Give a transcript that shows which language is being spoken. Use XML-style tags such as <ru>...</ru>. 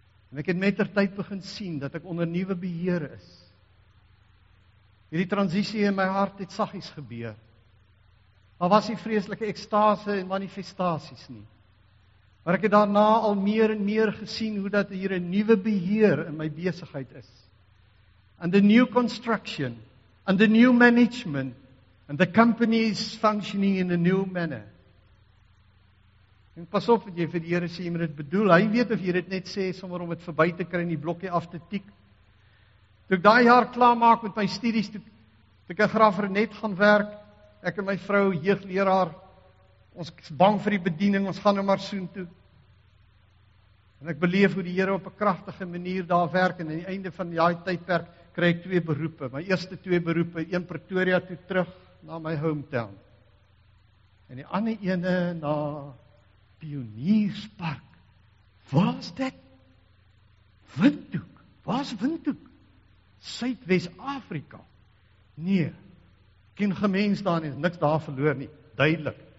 <af>En ek het mettertyd begin sien dat ek onder nuwe beheer is. Hierdie transisie in my hart het saggies gebeur. Maar was die vreeslike ekstase en manifestasies nie. Maar ek het daarna al meer en meer gesien hoe dat hier 'n nuwe beheer in my besigheid is.</af> <en>And the new construction, and the new management, and the company is functioning in a new manner.</en> <af>En pas op wat jy vir die Here sê, jy moet dit bedoel. Hy weet of jy dit net sê sommer om dit verby te kry en die blokkie af te tik. Toe ek daai jaar klaar maak met my studies, toe ek in Graaf-Reinet gaan werk, ek en my vrou jeugleraar, ons is bang vir die bediening, ons gaan nou maar soen toe. En ek beleef hoe die Here op 'n kragtige manier daar werk en aan die einde van daai tydperk kry ek twee beroepe. My eerste twee beroepe, een Pretoria toe terug na my hometown. En die ander ene na Pionierspark. Waar is dit? Windhoek. Waar is Windhoek? Suidwes-Afrika. Nee, geen gemens daar nie, niks daar verloor nie. Duidelik.</af>